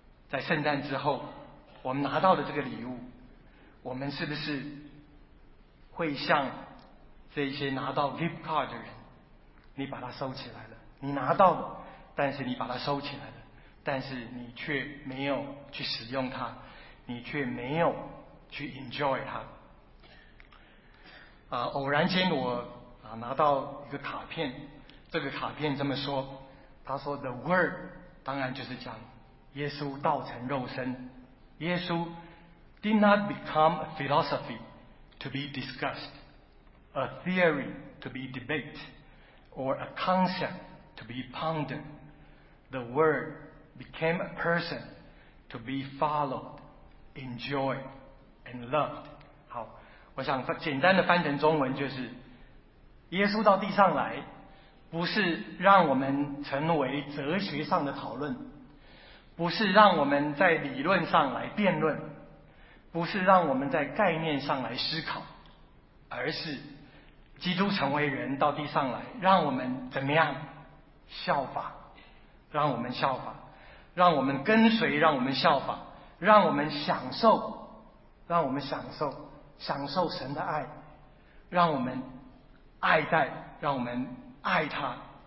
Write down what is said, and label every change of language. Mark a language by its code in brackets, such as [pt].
[zh] 在圣诞之后，我们拿到了这个礼物，我们是不是会像这些拿到 gift card 的人，你把它收起来了，你拿到了，但是你把它收起来了，但是你却没有去使用它，你却没有去 enjoy 它。偶然间我拿到一个卡片，这个卡片这么说，他说 the word 当然就是讲耶稣道成肉身。 [en] 耶稣 did not become a philosophy to be discussed, a theory to be debated, or a concept to be pondered. The word became a person to be followed, enjoyed, and loved. [zh] 好，我想简单的翻成中文就是，耶稣到地上来，不是让我们成为哲学上的讨论，不是让我们在理论上来辩论，不是让我们在概念上来思考，而是基督成为人到地上来，让我们怎么样效法，让我们效法，让我们跟随，让我们效法，让我们享受，让我们享受，享受神的爱，让我们爱戴，让我们爱他。